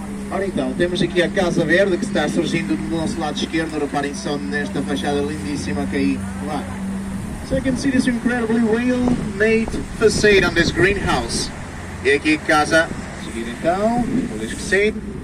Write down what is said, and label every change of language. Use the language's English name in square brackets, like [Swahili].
[Portuguese] Ora então, temos aqui a Casa Verde que está surgindo do nosso lado esquerdo. Reparem só nesta fachada lindíssima que aí lá. [English] So you can see this incredibly well made facade on this greenhouse. [Portuguese] E aqui a casa, seguindo então, por isso que sei.